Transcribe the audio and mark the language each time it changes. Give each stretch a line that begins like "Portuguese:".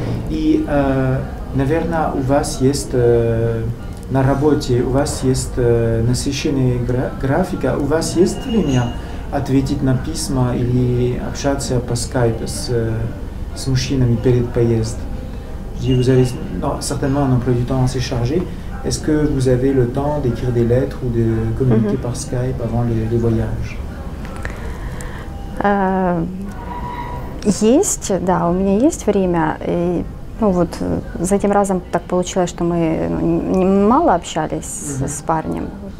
Russian: И, наверное, у вас есть на работе, у вас есть насыщенный график, у вас есть время ответить на письма или общаться по скайпу с мужчинами перед поездкой? Вы
French: avez certainement un emploi du temps assez chargé. Est-ce que vous avez le temps d'écrire des lettres ou de communiquer par Skype avant les voyages?
Russian: Есть, да, у меня есть время. И, ну вот за этим разом так получилось, что мы мало общались с парнем.